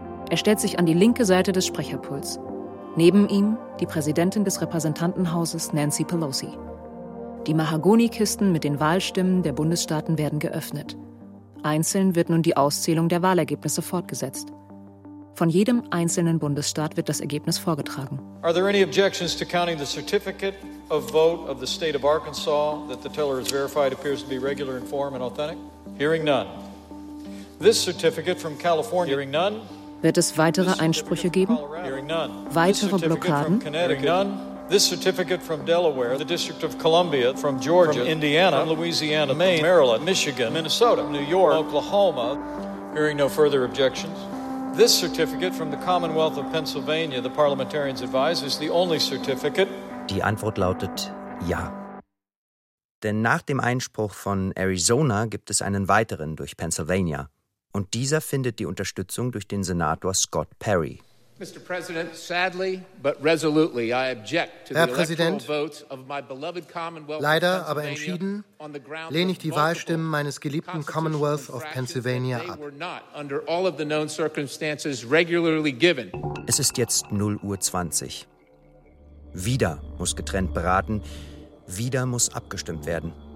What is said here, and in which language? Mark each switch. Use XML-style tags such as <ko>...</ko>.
<de>Er stellt sich an die linke Seite des Sprecherpults. Neben ihm die Präsidentin des Repräsentantenhauses Nancy Pelosi. Die Mahagonikisten mit den Wahlstimmen der Bundesstaaten werden geöffnet. Einzeln wird nun die Auszählung der Wahlergebnisse fortgesetzt. Von jedem einzelnen Bundesstaat wird das Ergebnis vorgetragen.</de> <en>Are there any objections to counting the certificate of vote of the state of Arkansas that the teller has verified appears to be regular in form and authentic? Hearing none. This certificate from California. Hearing none.</en> <de>Wird es weitere Einsprüche geben?</de> <en>Hearing none.</en> <de>Weitere Blockaden?</de> <en>Hearing none. This certificate from Delaware, the District of Columbia, from Georgia, from Indiana, from Louisiana, Maine, Maryland, Michigan, Minnesota, New York, Oklahoma. Hearing no further objections. This certificate from the Commonwealth of Pennsylvania, the parliamentarians advise, is the only certificate.</en> <de>Die Antwort lautet ja. Denn nach dem Einspruch von Arizona gibt es einen weiteren durch Pennsylvania. Und dieser findet die Unterstützung durch den Senator Scott Perry.</de> <en>Mr. President, sadly but resolutely, I object to the</en> <de>Herr Präsident,</de> <en>votes of my beloved Commonwealth</en> <de>leider aber entschieden lehne ich die Wahlstimmen meines geliebten Commonwealth of Pennsylvania ab. Es ist jetzt 0.20 Uhr. Wieder muss getrennt beraten, wieder muss abgestimmt werden.</de>